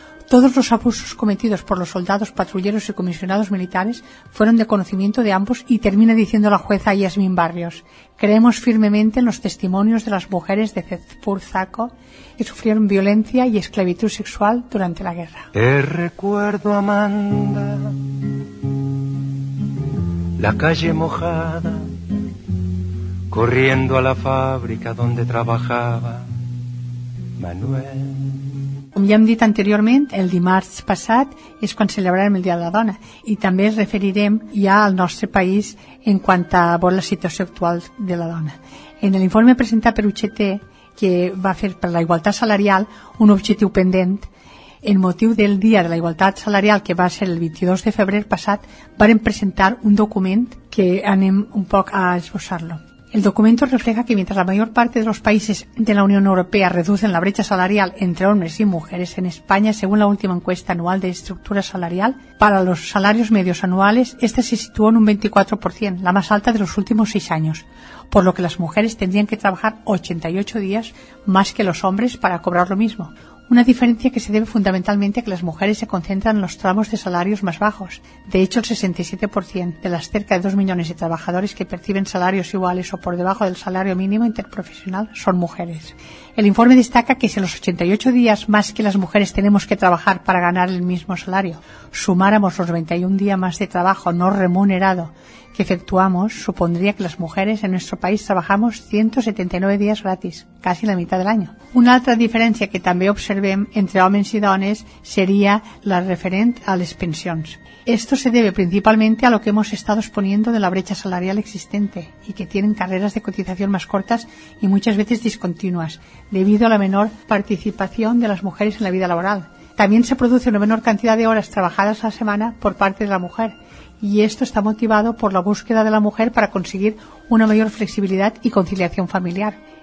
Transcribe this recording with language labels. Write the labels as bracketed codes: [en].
[es] Todos los abusos cometidos por los soldados, patrulleros y comisionados militares fueron de conocimiento de ambos, y termina diciendo la jueza Yasmín Barrios: creemos firmemente en los testimonios de las mujeres de Cezpurzaco que sufrieron violencia y esclavitud sexual durante la guerra. Te recuerdo, Amanda, la calle mojada, corriendo a la fábrica donde trabajaba Manuel. [ca] Com ja hem dit anteriorment, el dimarts passat és quan celebrarem el Dia de la Dona, i també es referirem ja al nostre país en quant a la situació actual de la dona. En l'informe presentat per UGT, que va fer per la igualtat salarial, un objectiu pendent, en motiu del Dia de la Igualtat Salarial, que va ser el 22 de febrer passat, varen presentar un document que anem un poc a esbossar-lo. [es] El documento refleja que mientras la mayor parte de los países de la Unión Europea reducen la brecha salarial entre hombres y mujeres en España, según la última encuesta anual de estructura salarial, para los salarios medios anuales, esta se situó en un 24%, la más alta de los últimos 6 años, por lo que las mujeres tendrían que trabajar 88 días más que los hombres para cobrar lo mismo. Una diferencia que se debe fundamentalmente a que las mujeres se concentran en los tramos de salarios más bajos. De hecho, el 67% de las cerca de 2 millones de trabajadores que perciben salarios iguales o por debajo del salario mínimo interprofesional son mujeres. El informe destaca que si los 88 días más que las mujeres tenemos que trabajar para ganar el mismo salario sumáramos los 21 días más de trabajo no remunerado que efectuamos, supondría que las mujeres en nuestro país trabajamos 179 días gratis, casi la mitad del año. [ca] Una altra diferència que també observem entre homes i dones seria la referent a les pensions. [es] Esto se debe principalmente a lo que hemos estado exponiendo de la brecha salarial existente y que tienen carreras de cotización más cortas y muchas veces discontinuas, debido a la menor participación de las mujeres en la vida laboral. También se produce una menor cantidad de horas trabajadas a la semana por parte de la mujer, y esto está motivado por la búsqueda de la mujer para conseguir una mayor flexibilidad y conciliación familiar.